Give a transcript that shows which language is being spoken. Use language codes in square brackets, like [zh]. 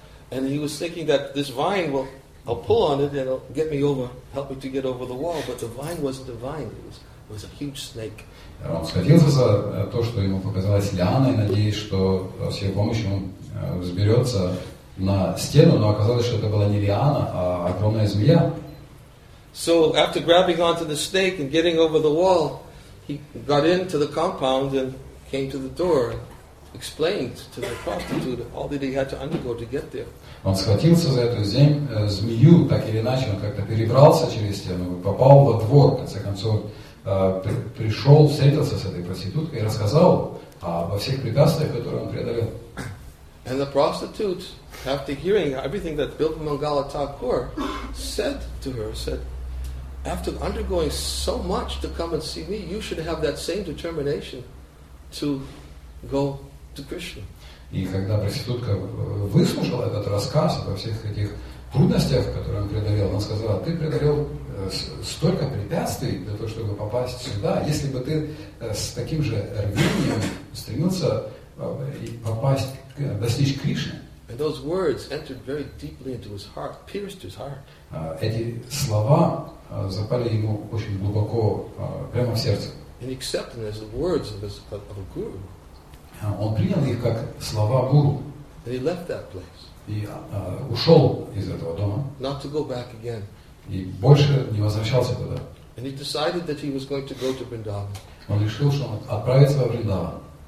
[en] And he was thinking that this vine will, I'll pull on it and it'll get me over, help me to get over the wall. But the vine wasn't a vine; it was a huge snake. [ru] Он схватился за то, что ему показалось лианой, надеясь, что с ее помощью он взберется на стену, но оказалось, что это была не лиана, а огромная змея. [en] So after grabbing onto the snake and getting over the wall, he got into the compound and came to the door and explained to the prostitute all that he had to undergo to get there. [ru] Он схватился за эту змею, так или иначе, он как-то перебрался через стену, попал во двор, в конце концов, пришел, встретился с этой проституткой и рассказал обо всех препятствиях, которые он преодолел. [en] And the prostitute, after hearing everything that Bilpamangala Thakur said to her, said, after undergoing so much to come and see me, you should have that same determination to go to Krishna. [ru] И когда проститутка выслушала этот рассказ обо всех этих трудностях, которые он преодолел, она сказала, ты преодолел столько препятствий для того, чтобы попасть сюда. Если бы ты с таким же рвением стремился попасть, достичь Кришны. [en] And those words entered very deeply into his heart, pierced his heart. [ru] Эти слова запали ему очень глубоко, прямо в сердце. [en] And he accepted them as the words of a guru. [ru] Он принял их как слова гуру. [en] And he left that place. [ru] И ушел из этого дома. [en] Not to go back again. [ru] И больше не возвращался туда. [en] And he decided that he was going to go to Vrindavan. [ru] Он решил, что он отправится во Вриндаван.